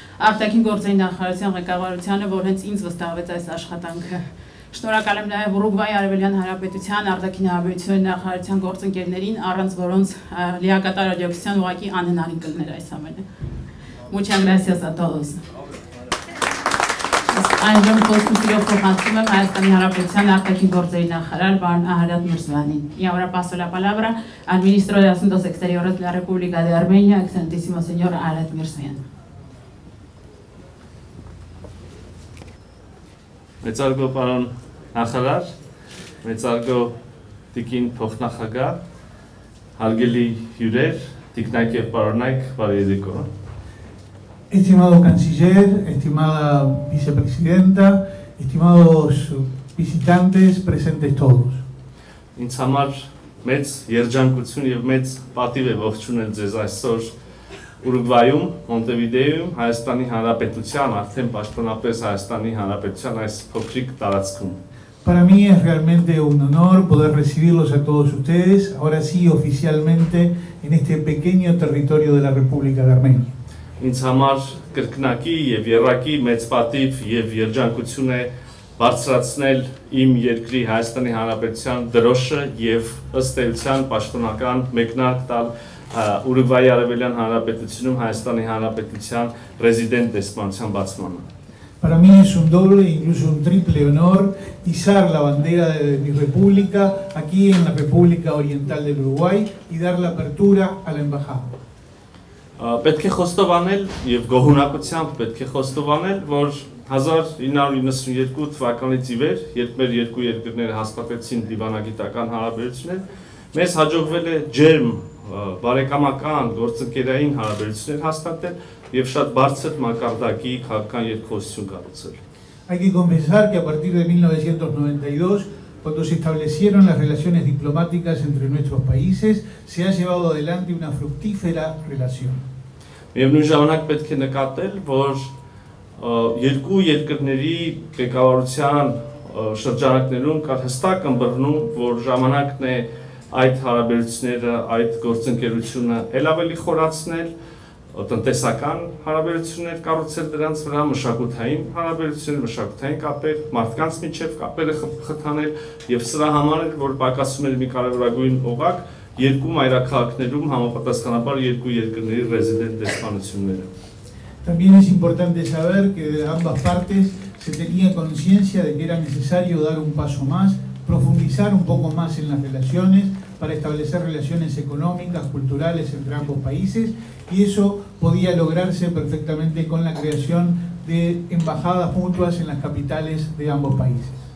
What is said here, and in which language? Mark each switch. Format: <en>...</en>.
<hy>արտաքին գործերի նախարարության ղեկավարությանը, որ հենց ինձ վստահվեց այս աշխատանքը։ Շնորհակալ եմ նաև Ուրուգվայի Արևելյան Հանրապետության արտաքին հարաբերությունների նախարարության գործընկերներին, առանց որոնց լիակատար աջակցության ուղղակի անհնարին կլներ այս ամենը։</hy> <es>Muchas gracias a todos.</es> <hy>Այժմ փոստիկը փոխանցում եմ Հայաստանի Հանրապետության արտաքին գործերի նախարար Բարոն Արադ Մրզվանին։</hy> <es>Y ahora paso la palabra al ministro de Asuntos Exteriores de la República de Armenia, excelentísimo señor Arad Mirzoyan.</es> <hy>Մեծարգո պարոն նախարար, մեծարգո տիկին փոխնախագահ, հարգելի հյուրեր, տիկնակ եւ պարոնակ, բարեկեցիկո։</hy> <es>Estimado canciller, estimada vicepresidenta, estimados visitantes, presentes todos.</es> <hy>Ինձ համար մեծ երջանկություն եւ մեծ պատիվ է ողջունել ձեզ այսօր Ուրուգվայում, Մոնտեվիդեոյում, Հայաստանի Հանրապետության, արդեն պաշտոնապես Հայաստանի Հանրապետության այս փոքրիկ տարածքում։</hy> <es>Para mí es realmente un honor poder recibirlos a todos ustedes, ahora sí oficialmente en este pequeño territorio de la República de Armenia.</es> <hy>Ինձ համար կրկնակի եւ երրակի մեծ պատիվ եւ երջանկություն է բարձրացնել իմ երկրի Հայաստանի Հանրապետության դրոշը եւ ըստ էության պաշտոնական մեկնարկ տալ Ուրուգվայի Արևելյան Հանրապետությունում Հայաստանի Հանրապետության ռեզիդենտ դեսպանության բացմանը։</hy> <es>Para mí es un doble, incluso un triple honor, izar la bandera de mi república aquí en la República Oriental del Uruguay y dar la apertura a la embajada.</es> <hy>Պետք է խոստովանել եւ գոհունակությամբ պետք է խոստովանել, որ 1992 թվականից ի վեր, երբ մեր երկու երկրները հաստատեցին դիվանագիտական հարաբերություններ, մեզ հաջողվել է ջերմ բարեկամական գործընկերային հարաբերություններ հաստատել եւ շատ բարձր մակարդակի քաղաքական երկխոսություն կառուցել։ Այդ գոմեսար կա</hy> <es>partir de 1992 cuando se establecieron las relaciones diplomáticas entre nuestros países, se ha llevado adelante una fructífera relación.</es> <hy>Եվ նույն ժամանակ պետք է նկատել, որ երկու երկրների ղեկավարության շրջանակներում կար հստակ ըմբռնում, որ ժամանակն է այդ հարաբերությունները, այդ գործընկերությունը ելավելի խորացնել, տնտեսական հարաբերություններ կառուցել դրանց վրա, մշակութային հարաբերություններ, մշակութային կապեր, մարդկանց միջև կապերը խթանել եւ սրա համար էր, որ պակասում էր մի կարևորագույն օղակ երկու մայրաքաղաքներում համապատասխանաբար երկու երկրների ռեզիդենտ դեսպանությունները.</hy> <es>También es importante saber que de ambas partes se tenía conciencia de que era necesario dar un paso más, profundizar un poco más en las relaciones para establecer relaciones económicas, culturales entre ambos países, y eso podía lograrse perfectamente con la creación de embajadas mutuas en las capitales de ambos países.</es>